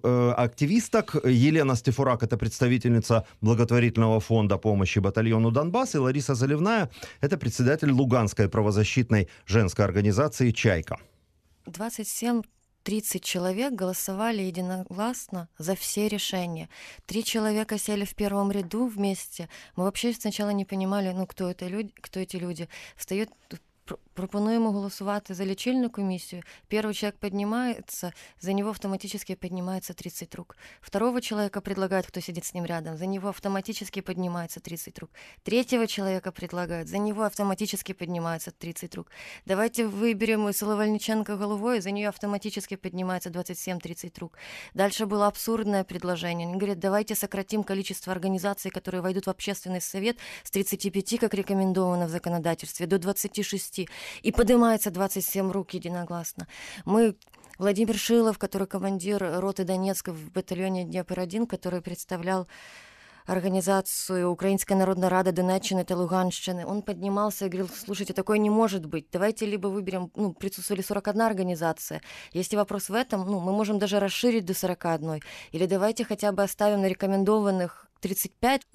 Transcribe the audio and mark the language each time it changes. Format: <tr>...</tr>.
<ru>Активисток Елена Стефурак, это представительница благотворительного фонда помощи батальону «Донбасс», и Лариса Заливная, это председатель Луганской правозащитной женской организации «Чайка». 27-30 человек голосовали единогласно за все решения. 3 человека сели в первом ряду вместе. Мы вообще сначала не понимали, ну, кто эти люди. Встает</ru> <uk>пропонуємо голосувати за лічильну комісію. Перший чоловік піднімається, за нього автоматично піднімається 30 рук. Другого чоловіка пропонують, хто сидить з ним рядом, за нього автоматично піднімається 30 рук. Третього чоловіка пропонують, за нього автоматично піднімається 30 рук. Давайте виберемо Ісу Вальниченко головою, за нього автоматично піднімається 27-30 рук. Далі було абсурдне пропонування. Він говорить, давайте сократимо кількість організацій, які війдуть в общественний совет з 35, як рекомендовано в законодательстві, до 26.</uk> <ru>И поднимается 27 рук единогласно. Мы, Владимир Шилов, который командир роты Донецка в батальоне Днепр-1, который представлял организацию Украинская Народная Рада Донеччины и Луганщины, он поднимался и говорил, слушайте, такое не может быть, давайте либо выберем, ну, присутствовали 41 организация, если вопрос в этом, ну, мы можем даже расширить до 41, или давайте хотя бы оставим на рекомендованных 35.</ru>